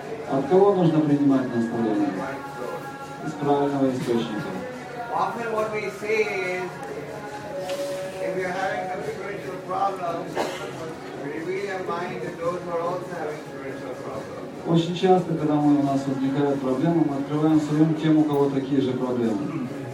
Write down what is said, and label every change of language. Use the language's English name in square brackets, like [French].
[Russian] От кого нужно принимать наставления? Из правильного источника. [English] Often what we say is, if you're having some spiritual problems, reveal your mind to those who are also having spiritual problems. [Russian] Очень часто, когда мы у нас возникают проблемы, мы открываем свою ум тем, у кого такие же проблемы.